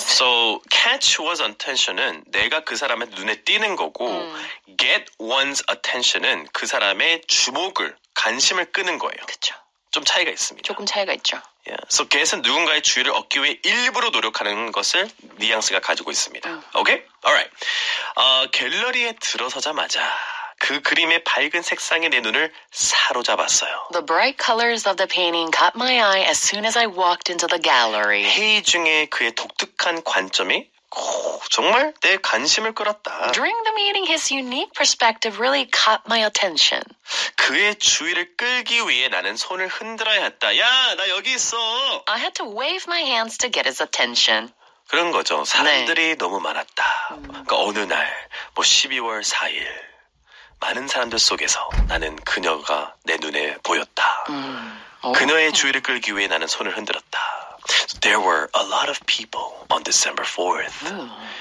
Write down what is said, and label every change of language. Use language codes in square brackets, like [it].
[ko] So catch one's attention은 내가 그 사람의 눈에 띄는 거고 get one's attention은 그 사람의 주목을 관심을 끄는 거예요. 그렇죠. 좀 차이가 있습니다. 조금 차이가 있죠. Yeah. So get은 누군가의 주의를 얻기 위해 일부러 노력하는 것을 뉘앙스가 가지고 있습니다. [en] Okay? Alright. [ko] 갤러리에 들어서자마자 그 그림의 밝은 색상이 내 눈을 사로잡았어요. [en] The bright colors of the painting caught my eye as soon as I walked into the gallery. [ko] 회의 중에 그의 독특한 관점이 정말 내 관심을 끌었다. [en] During the meeting, his unique perspective really caught my attention. [ko] 그의 주의를 끌기 위해 나는 손을 흔들어야 했다. 야, 나 여기 있어. [en] I had to wave my hands to get his attention. [ko] 그런 거죠. 사람들이 네. 너무 많았다. 그러니까 어느 날, 뭐 12월 4일. 많은 사람들 속에서 나는 그녀가 내 눈에 보였다. 그녀의 주의를 끌기 위해 나는 손을 흔들었다. [en] So there were a lot of people on December 4th.